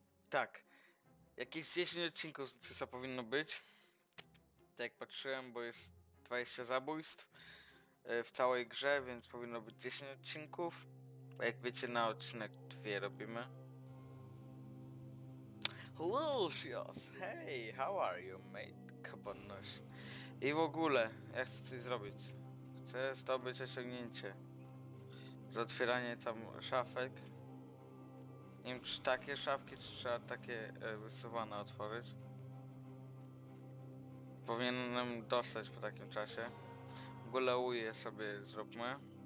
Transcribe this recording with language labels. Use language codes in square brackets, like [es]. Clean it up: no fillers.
[pl] Tak, jakieś 10 odcinków z Luciusa powinno być. Tak jak patrzyłem, bo jest 20 zabójstw w całej grze, więc powinno być 10 odcinków. Jak wiecie, na odcinek 2 robimy. [en] Lucius, hey, how are you, mate? Kabonnoś. [pl] I w ogóle, ja chcę coś zrobić. Chcę zdobyć osiągnięcie. Za otwieranie tam szafek. Nie wiem, czy takie szafki, czy trzeba takie wysuwane otworzyć. Powinienem dostać po takim czasie. W ogóle uję sobie zróbmy.